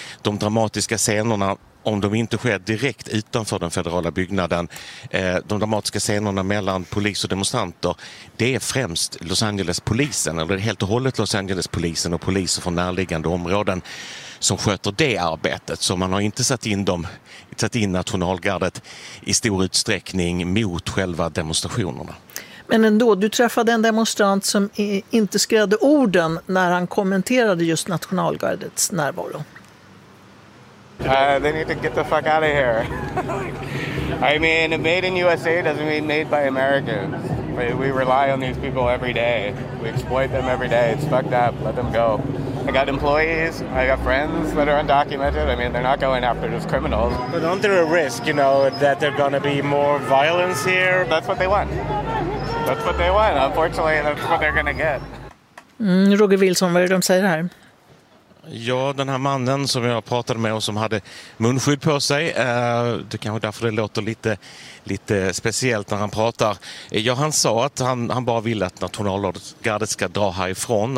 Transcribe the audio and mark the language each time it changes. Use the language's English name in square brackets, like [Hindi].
[Swedish] De dramatiska scenerna, om de inte sker direkt utanför den federala byggnaden, de dramatiska scenerna mellan polis och demonstranter, det är främst Los Angeles-polisen, eller helt och hållet Los Angeles-polisen och poliser från närliggande områden som sköter det arbetet. Så man har inte satt in nationalgardet i stor utsträckning mot själva demonstrationerna. Men ändå, du träffade en demonstrant som inte skrädde orden när han kommenterade just nationalgardets närvaro. [English] They need to get the fuck out of here. I mean, made in USA doesn't mean made by Americans. We rely on these people every day. We exploit them every day. It's fucked up. Let them go. I got employees. I got friends that are undocumented. I mean, they're not going after just criminals. But aren't there a risk, you know, that there's going to be more violence here? That's what they want. That's what they want. Unfortunately, that's what they're going to get. [Swedish] Roger Wilson, vad är det de säger här? Ja, den här mannen som jag pratade med och som hade munskydd på sig, det kanske därför det låter lite speciellt när han pratar. Ja, han sa att han bara ville att nationalgardet ska dra härifrån.